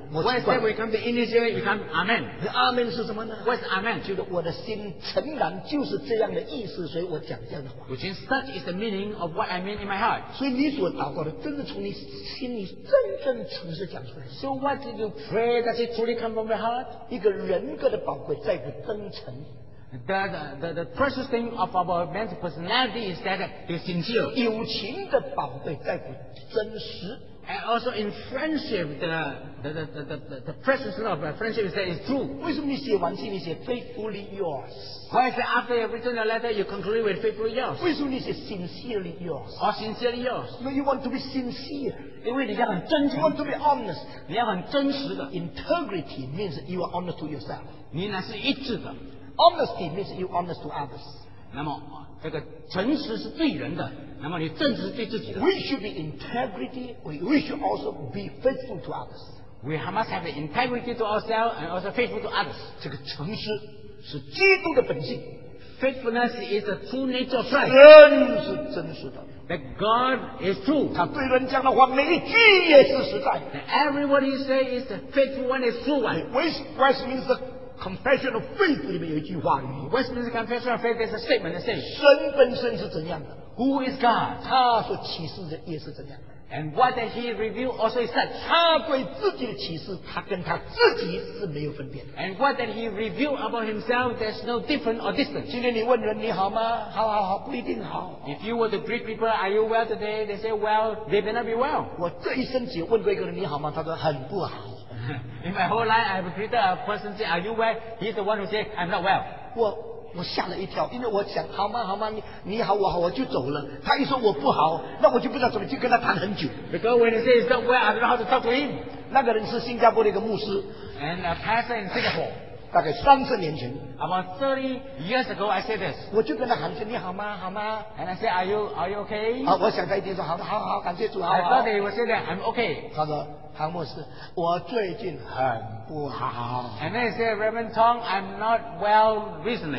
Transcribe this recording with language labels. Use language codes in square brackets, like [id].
[en] When we come to Indonesia, we become Amen. [zh] Amen 是什么呢? [en] What's Amen? [zh] 就是我的心诚然就是这样的意思，所以我讲这样的话。 [en] Which is such is the meaning of what I mean in my heart. [zh] 所以你所祷告的，真的从你心里真正诚实讲出来。 [en] So what did you pray? Does it truly come from your heart? [zh] 一个人格的宝贵在于真诚。 [en] The precious thing of our man's personality is that it is sincere. [zh] 友情的宝贵在于真实。 [en] And also in friendship, the presence of friendship is that it's true. [zh] 为什么你写完信你写 [en] faithfully yours? Why is it after you've written a letter, you conclude with faithfully yours? 为什么你写 sincerely yours? Or sincerely yours? No, you want to be sincere. [zh] 因为你要很真诚. [en] You want to be honest. [zh] 你要很真实的. [en] Integrity means you are honest to yourself. [zh] 你那是一致的. [en] Honesty means you honest to others. [zh] 那么这个诚实是对人的。 [en] We should be integrity. We should also be faithful to others. We must have integrity to ourselves and also faithful to others. [zh] 这个诚实是基督的本性. [en] Faithfulness is the true nature of Christ. [zh] 人是真实的. [en] That God is true. [zh] 他对人讲的话每一句也是实在. [en] That everybody say is the faithful one is true one. Which means the confession of faith [zh] 里面有一句话. [en] Which means the confession of faith is a statement that says [zh] 神本身是怎样的. [en] Who is God? [zh] 他所启示的也是怎样的。 [en] And what did he reveal also is that [zh] 他对自己的启示，他跟他自己是没有分别的。 [en] And what did he reveal about himself? There's no different or distant. [zh] 今天你问人你好吗?好好好，不一定好。 [en] If you were to greet people, are you well today? They say, well, they may not be well. [zh] 我这一生只问过一个人你好吗? 他说很不好。 [en] In my whole life, I've greeted a person say, are you well? He's the one who say, I'm not well. [zh] 我吓了一跳，因为我想好吗好吗你好我好我就走了。他一说我不好，那我就不知道怎么去跟他谈很久。 [en] Because when he says not well, I don't know how to talk to him. [zh] 那个人是新加坡的一个牧师。 [en] And a pastor in Singapore. [zh] 大概30年前。 [en] About 30 years ago, I said this. [zh] 我就跟他喊说你好吗好吗。 [en] And I said, are you okay? [zh] 我想他一定说好的好好感谢主啊。 [en] I thought he would say that I'm okay. [zh] 他说 唐牧师, 我最近很不好。 [en] And then he said, Reverend Tong, I'm not well recently.